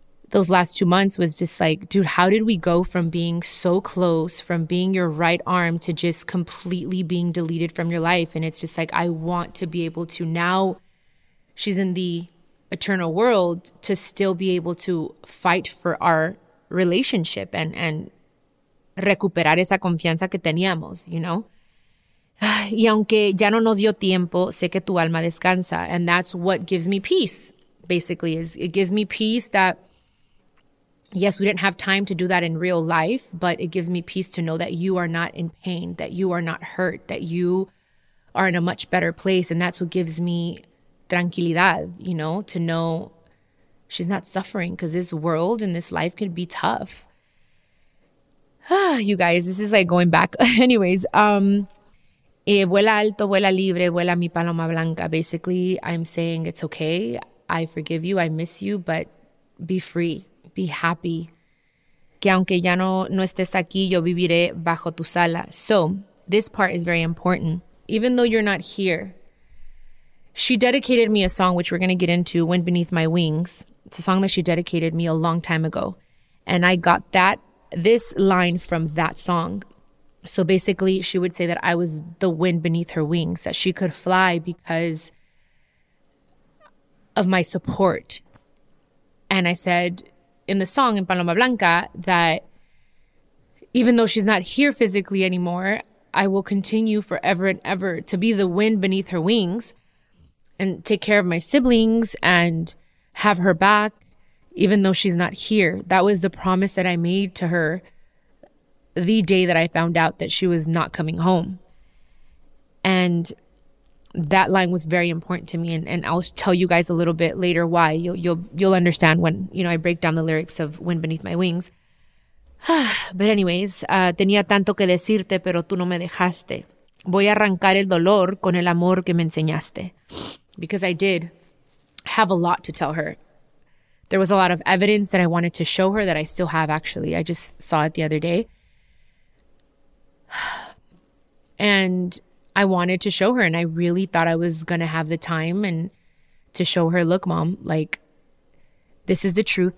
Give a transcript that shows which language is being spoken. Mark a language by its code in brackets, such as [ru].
[en] Those last 2 months was just like, dude, how did we go from being so close, from being your right arm to just completely being deleted from your life? And it's just like, I want to be able to, now she's in the eternal world, to still be able to fight for our relationship and [es] recuperar esa confianza que teníamos, [en] you know? [es] Y aunque ya no nos dio tiempo, sé que tu alma descansa. [en] And that's what gives me peace, basically, is it gives me peace that, yes, we didn't have time to do that in real life, but it gives me peace to know that you are not in pain, that you are not hurt, that you are in a much better place. And that's what gives me tranquilidad, you know, to know she's not suffering, because this world and this life could be tough. You guys, this is like going back. Anyways, [es] vuela alto, vuela libre, vuela mi paloma blanca. [en] Basically, I'm saying it's okay. I forgive you. I miss you, but be free. Be happy. [es] Que aunque ya no estés aquí, yo viviré bajo tu sala. [en] So this part is very important. Even though you're not here, she dedicated me a song, which we're going to get into, Wind Beneath My Wings. It's a song that she dedicated me a long time ago. And I got this line from that song. So basically, she would say that I was the wind beneath her wings, that she could fly because of my support. And I said in the song in Paloma Blanca that even though she's not here physically anymore, I will continue forever and ever to be the wind beneath her wings and take care of my siblings and have her back even though she's not here. That was the promise that I made to her the day that I found out that she was not coming home. And that line was very important to me, and I'll tell you guys a little bit later why. You'll understand when, you know, I break down the lyrics of Wind Beneath My Wings. But anyways, [es] tenía tanto que decirte, pero tú no me dejaste. Voy a arrancar el dolor con el amor que me enseñaste. [en] Because I did have a lot to tell her. There was a lot of evidence that I wanted to show her that I still have, actually. I just saw it the other day. And I wanted to show her, and I really thought I was going to have the time and to show her, look, mom, like, this is the truth.